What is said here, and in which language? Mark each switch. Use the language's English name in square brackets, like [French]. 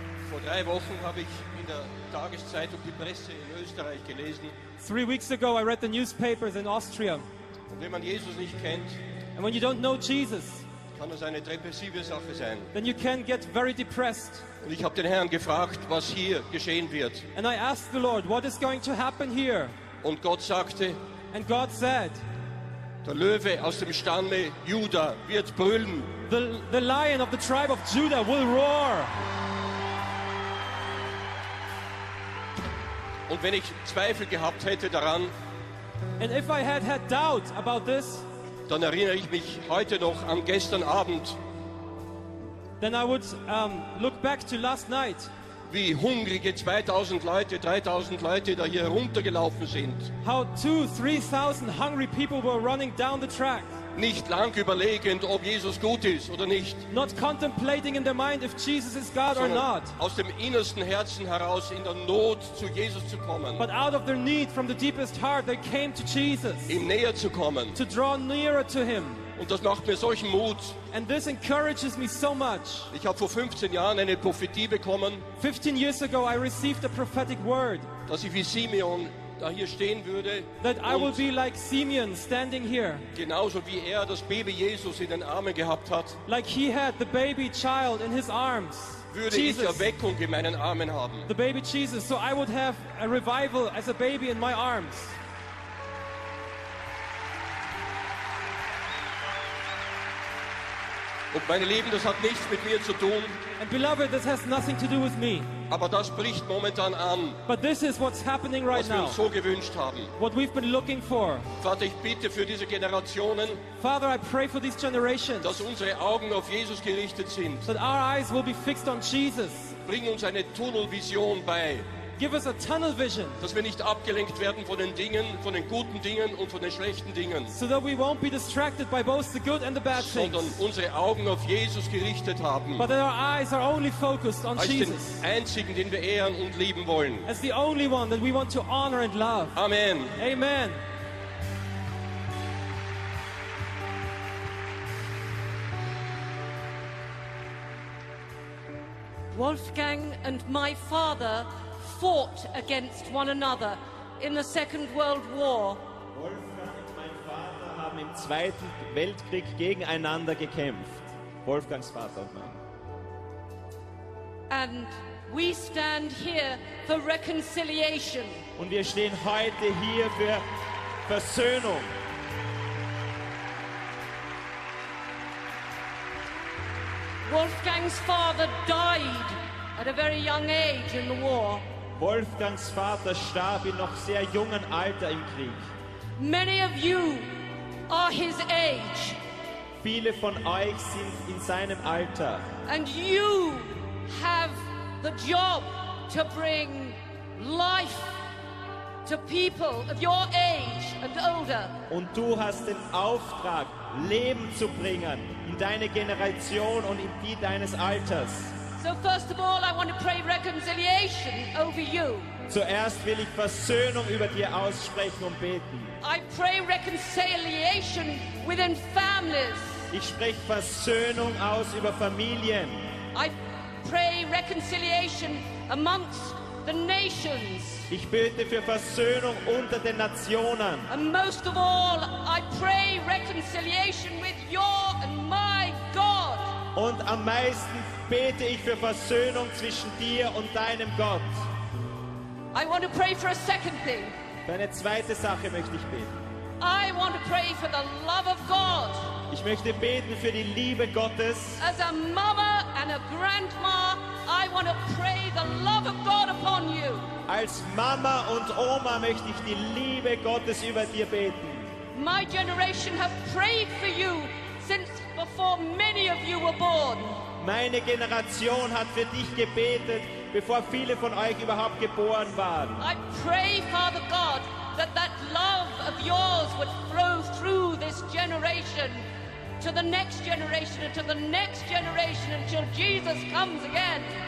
[German] Vor drei Wochen habe ich in der Tageszeitung die Presse in Österreich gelesen. [English] 3 weeks ago I read the newspapers in Austria. [German] Und wenn man Jesus nicht kennt, [English] and when you don't know Jesus, [German] kann das eine depressive Sache sein. [English] Then you can get very depressed. [German] Und ich habe den Herrn gefragt, was hier geschehen wird. [English] And I asked the Lord, what is going to happen here? [German] Und Gott sagte, [English] and God said, [German] der Löwe aus dem Stamme Juda wird brüllen. [English] The lion of the tribe of Judah will roar. [German] Und wenn ich Zweifel gehabt hätte daran, [English] and if I had doubt about this, [German] dann erinnere ich mich heute noch an gestern Abend. [English] Then I would look back to last night. [German] wie hungrige 2000 Leute, 3000 Leute da hier runtergelaufen sind. [English] How 2,000-3,000 hungry people were running down the track. [German] Nicht lang überlegend, ob Jesus gut ist oder nicht. [English] Not contemplating in their mind if Jesus is God or not. [German] Aus dem innersten Herzen heraus in der Not zu Jesus zu kommen. [English] But out of their need, from the deepest heart, they came to Jesus. [German] Ihm näher zu kommen. [English] To draw nearer to him. [German] Und das macht mir solchen Mut. [English] And this encourages me so much. [German] Ich habe vor 15 Jahren eine Prophetie bekommen. [English] 15 years ago I received a prophetic word. [German] Dass ich wie Simeon da hier stehen würde. [English] That I will be like Simeon standing here. [German] Genauso wie er das Baby Jesus in den Armen gehabt hat. [English] Like he had the baby child in his arms. [German] Würde Jesus. Ich Erweckung in meinen Armen haben. [English] The baby Jesus. So I would have a revival as a baby in my arms. [German] Und meine Lieben, das hat nichts mit mir zu tun. [English] And beloved, this has nothing to do with me. [German] Aber das bricht momentan an. [English] But this is what's happening right now. [German] Was wir uns so gewünscht haben. [English] What we've been looking for. [German] Vater, ich bitte für diese Generationen. [English] Father, I pray for these generations. [German] Dass unsere Augen auf Jesus gerichtet sind. [English] That our eyes will be fixed on Jesus. [German] Bring uns eine Tunnelvision bei. [English] Give us a tunnel vision. [German] Dass wir nicht abgelenkt werden von den Dingen, von den guten Dingen und von den schlechten Dingen. [English] So that we won't be distracted by both the good and the bad things. [German] Sondern unsere Augen auf Jesus gerichtet haben. [English] But that our eyes are only focused on Jesus. [German] Als den einzigen, den wir ehren und lieben wollen. [English] As the only one that we want to honor and love. [German] Amen. [English] Amen. Wolfgang and my father fought against one another in the Second World War. [German] Wolfgang und mein Vater haben im Zweiten Weltkrieg gegeneinander gekämpft. Wolfgangs Vater und mein. [English] And we stand here for reconciliation. [German] Und wir stehen heute hier für Versöhnung. [English] Wolfgang's father died at a very young age in the war. [German] Wolfgangs Vater starb in noch sehr jungen Alter im Krieg. [English] Many of you are his age. [German] Viele von euch sind in seinem Alter. [English] And you have the job to bring life to people of your age and older. [German] Und du hast den Auftrag, Leben zu bringen in deine Generation und in die deines Alters. [English] So first of all, I want to pray reconciliation over you. [German] Zuerst will ich Versöhnung über dir aussprechen und beten. [English] I pray reconciliation within families. [German] Ich spreche Versöhnung aus über Familien. [English] I pray reconciliation amongst the nations. [German] Ich bete für Versöhnung unter den Nationen. [English] And most of all, I pray reconciliation with your and my God. [German] Und am meisten bete ich für Versöhnung zwischen dir und deinem Gott. [English] I want to pray for a second thing. [German] Für eine zweite Sache möchte ich beten. [English] I want to pray for the love of God. [German] Ich möchte beten für die Liebe Gottes. [English] As a mother and a grandma, I want to pray the love of God upon you. [German] Als Mama und Oma möchte ich die Liebe Gottes über dir beten. [English] My generation have prayed for you since before many of you were born. [German] Meine Generation hat für dich gebetet, bevor viele von euch überhaupt geboren waren. [English] I pray, Father God, that that love of yours would flow through this generation to the next generation and to the next generation until Jesus comes again.